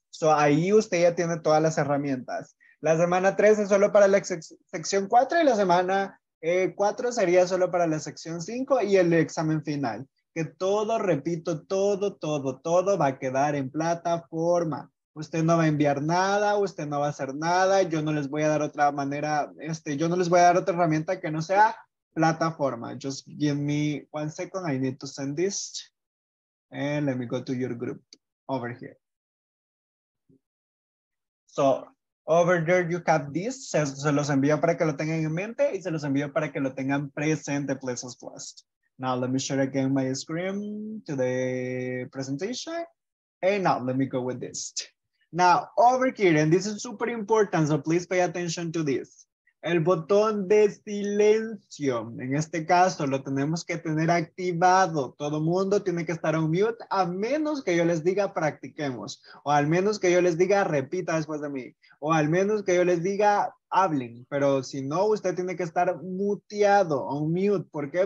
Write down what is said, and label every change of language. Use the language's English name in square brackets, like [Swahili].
[Spanish] So, ahí usted ya tiene todas las herramientas. La semana 3 es solo para la sección 4 y la semana 4 sería solo para la sección 5 y el examen final. Que todo, repito, todo va a quedar en plataforma. Usted no va a enviar nada, usted no va a hacer nada, yo no les voy a dar otra manera, yo no les voy a dar otra herramienta que no sea plataforma. [English] Just give me 1 second, I need to send this. And let me go to your group over here. So, over there you have this, [Spanish] se los envío para que lo tengan en mente y se los envío para que lo tengan presente, [English] please, please. Now let me share again my screen to the presentation. And now let me go with this. Now over here, and this is super important, so please pay attention to this. [Spanish] El botón de silencio, en este caso, lo tenemos que tener activado. Todo mundo tiene que estar [English] on mute, [Spanish] a menos que yo les diga practiquemos. O al menos que yo les diga repita después de mí. O al menos que yo les diga hablen. Pero si no, usted tiene que estar muteado, [English] on mute. [Spanish] ¿Por qué?